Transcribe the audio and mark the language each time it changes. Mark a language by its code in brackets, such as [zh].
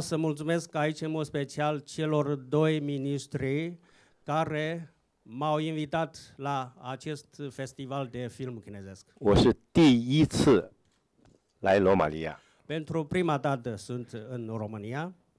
[ro] să mulțumesc aici în mod special celor doi ministri care m-au invitat la acest festival de film chinezesc. [zh] 我是第一次来罗马尼亚. [ro] Pentru prima dată sunt în România.